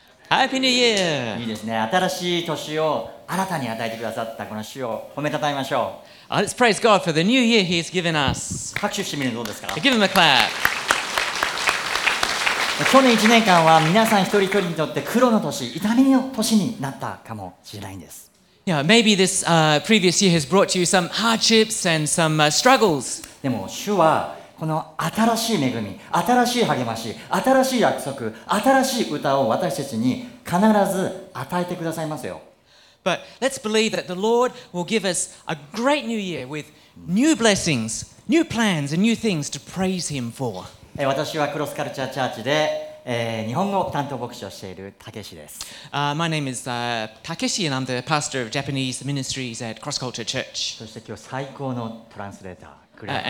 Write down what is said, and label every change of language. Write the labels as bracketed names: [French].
[English] ハッピーニューイヤー。 [Japanese] いいですね。新しい年を新たに与えてくださったこの主を褒めたたえましょう。 [English] Let's praise God for the new year He has given us. [Japanese] 拍手してみるのどうですか。 [English] Give him a clap. [Japanese] 去年1年間は皆さん一人一人にとって苦労の年、痛みの年になったかもしれないんです。 [English] Yeah, maybe this previous year has brought you some hardships and some struggles. [Japanese] でも主はこの新しい恵み、新しい励まし、新しい約束、新しい歌を私たちに必ず与えてくださいますよ。 [English] But let's believe that the Lord will give us a great new year with new blessings, new plans, and new things to praise Him for. [Japanese] 私はクロスカルチャーチャーチで、日本語担当牧師をしている武志です。 [English] My name is Takeshi, and I'm the pastor of Japanese ministries at Cross Culture Church. [Japanese] そして今日最高のトランスレーター。